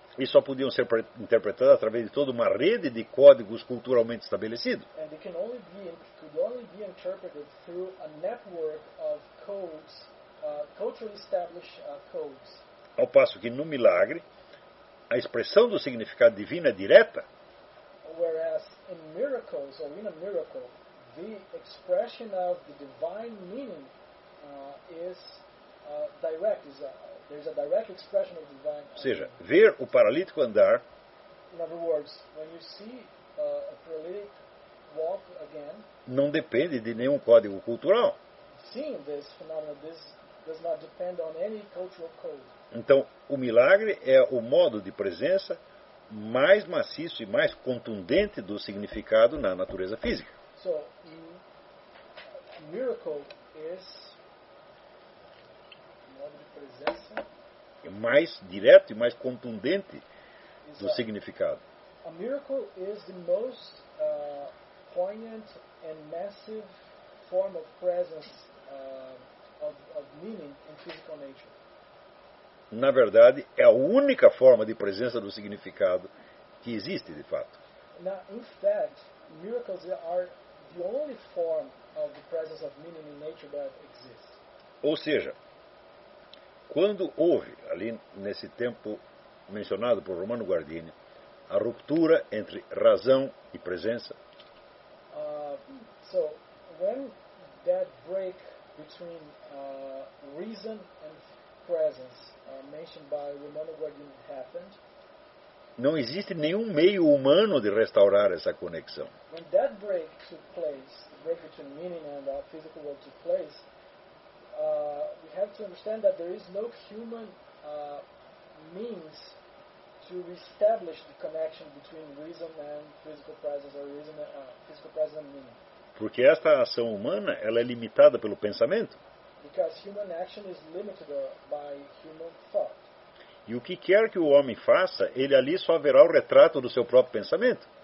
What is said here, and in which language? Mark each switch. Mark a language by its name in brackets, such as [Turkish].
[Portuguese] E só podiam ser interpretados através de toda uma rede de códigos culturalmente estabelecidos. [English] And they can only be, could only be interpreted through a network of codes, culturally established codes. [Portuguese] Ao passo que no milagre, a expressão do significado divino é direta. [English] Whereas in miracles, or in a miracle, the expression of the divine meaning is direct, is there's a direct expression of divine. [Portuguese] Ou seja, ver o paralítico andar. [English] In other words, when you see a paralytic walk again, [Portuguese] não depende de nenhum código cultural. [English] Seeing this phenomenon, this does not depend on any cultural code. [Portuguese] Então, o milagre é o modo de presença mais maciço e mais contundente do significado na natureza física. [English] So, miracle is [Portuguese] modo de presença mais direto e mais contundente do significado. [English] A miracle is the most poignant and massive form of presence of meaning in physical nature. [Portuguese] Na verdade, é a única forma de presença do significado que existe, de fato. [English] Now, in fact, miracles are the only form of the presence of meaning in nature that exists. [Portuguese] Ou seja, quando houve, ali nesse tempo mencionado por Romano Guardini, a ruptura entre razão e presença. [English] So, when that break between reason and presence mentioned by Romano Guardini happened. [Portuguese] Não existe nenhum meio humano de restaurar essa conexão. [English] When that break took place, the break between meaning and our physical world took place, we have to understand that there is no human means to reestablish the connection between reason and physical presence, or reason and physical presence and meaning. [Portuguese] Porque esta ação humana, ela é limitada pelo pensamento. [English] Because human action is limited by human thought. [Portuguese] E o que quer que o homem faça, ele ali só verá o retrato do seu próprio pensamento.